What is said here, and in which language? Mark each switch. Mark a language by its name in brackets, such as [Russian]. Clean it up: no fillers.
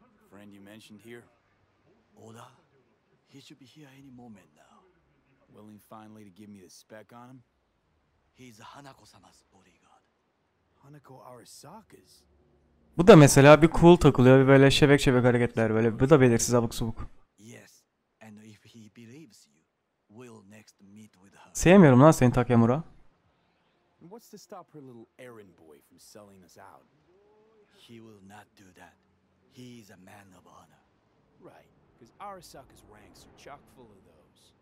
[English] Friend you mentioned here, Oda, he should be here any moment now. Willing finally to give me the spec on him? He's Hanako-sama's bodyguard. Hanako Arasaka's. [Turkish] Bu da mesela bir cool takılıyor, bir böyle şebek şebek hareketler böyle. Bu da belirsiz, abuk subuk. [English] Yes, and if he believes you, we'll next meet with her. [Turkish] Sevmiyorum lan seni Takemura. [English] What's to stop her little errand boy from selling us out? He will not do that. He's a man of honor. Right, because Arasaka's ranks are chock full of those.